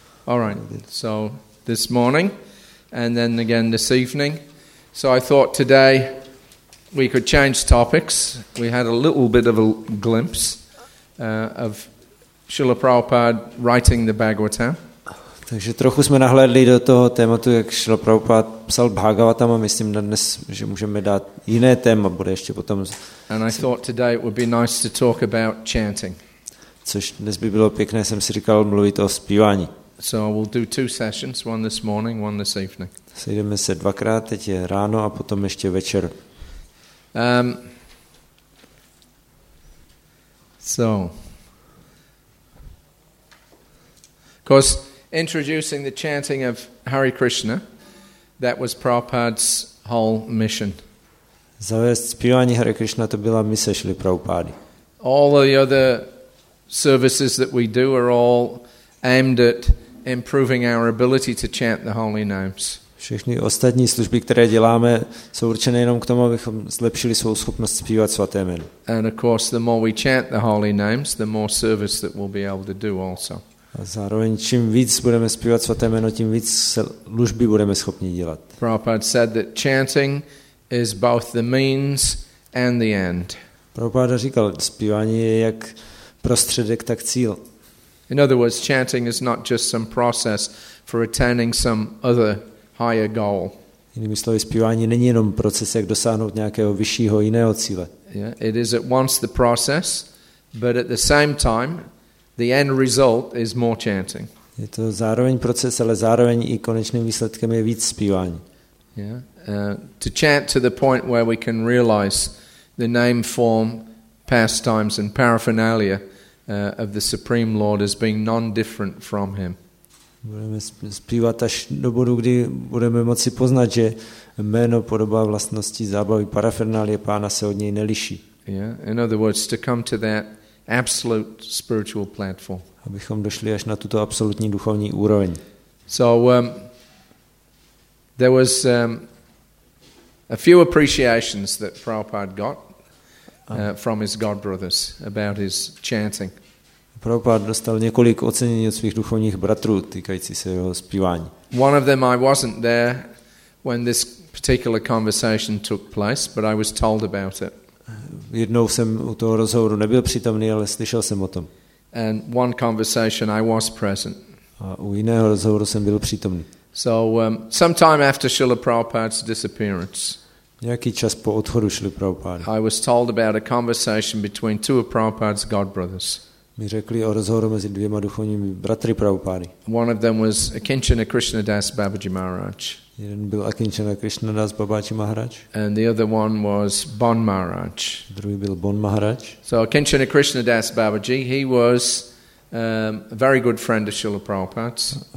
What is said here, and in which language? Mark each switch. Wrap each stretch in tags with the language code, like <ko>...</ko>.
<en>All right, so this morning, and then again this evening. So I thought today we could change topics. We had a little bit of a glimpse of Srila Prabhupada writing the Bhagavatam.</en> <cs>Takže trochu jsme nahlédli do toho tématu, jak Srila Prabhupada psal Bhagavatam, a myslím na dnes, že můžeme dát jiné téma, bude ještě potom.</cs> <en>And I thought today it would be nice to talk about chanting.</en> <cs>Což dnes by bylo pěkné, jsem si říkal, mluvit o zpívání.</cs> <en>So we'll do two sessions, one this morning, one this evening.</en> <cs>Sejdeme se dvakrát, teď je ráno a potom ještě večer.</cs> <en>So, of course, introducing the chanting of Hare Krishna, that was Prabhupada's whole mission.</en> <cs>Zavést zpívání Hare Krishna, to byla mise Srily Prabhupady.</cs> <en>All the other services that we do are all aimed at improving our ability to chant the holy names.</en> <cs>Všechny ostatní služby, které děláme, jsou určené jenom k tomu, abychom zlepšili svou schopnost zpívat svaté jméno.</cs> <en>And of course, the more we chant the holy names, the more service that we'll be able to do also.</en> <cs>A zároveň čím víc budeme zpívat svaté jméno, tím víc služby budeme schopni dělat.</cs> <en>Prabhupada said that chanting is both the means and the end.</en> <cs>Prabhupada říkal, zpívání je jak prostředek, tak cíl.</cs> <en>In other words, chanting is not just some process for attaining some other higher goal.</en> <cs>Jinými slovy, zpívání není jenom proces, jak dosáhnout nějakého vyššího jiného cíle.</cs> <en>Yeah, it is at once the process, but at the same time, the end result is more chanting.</en> <cs>Je to zároveň proces, ale zároveň i konečným výsledkem je víc zpívání.</cs> <en>Yeah, to chant to the point where we can realize the name, form, pastimes and paraphernalia of the Supreme Lord as being non-different from him.</en> <cs>Budeme zpívat až do bodu, kdy budeme moci poznat, že jméno, podoba, vlastnosti, zábavy, parafernálie pána se od něj neliší.</cs> <en>Yeah, in other words, to come to that absolute spiritual platform.</en> <cs>Abychom došli až na tuto absolutní duchovní úroveň.</cs> <en>So there was a few appreciations that Prabhupada got from his god brothers about his chanting.</en> <cs>Prabhupada dostal několik ocenění od svých duchovních bratrů týkající se jeho zpívání.</cs> <en>One of them, I wasn't there when this particular conversation took place, but I was told about it.</en> <cs>Jednou jsem u toho rozhovoru nebyl přítomný, ale slyšel jsem o tom.</cs> <en>And one conversation I was present.</en> <cs>A u jiného rozhovoru jsem byl přítomný.</cs> <en>So sometime after Srila Prabhupada's disappearance,</en> <cs>nějaký čas po odchodu Srily Prabhupady,</cs> <en>I was told about a conversation between two of Prabhupada's god brothers.</en> <cs>Mi řekli o rozhovoru mezi dvěma duchovními bratry Prabhupády.</cs> <en>One of them was Akinchana Krishnadas Babaji Maharaj.</en> <cs>Jeden byl Akinchana Krishnadas Babaji Maharaj.</cs> <en>And the other one was Bon Maharaj.</en> <cs>Druhý byl Bon Maharaj.</cs> <en>So Akinchana Krishnadas Babaji, he was a very good friend of Srila Prabhupada's.</en>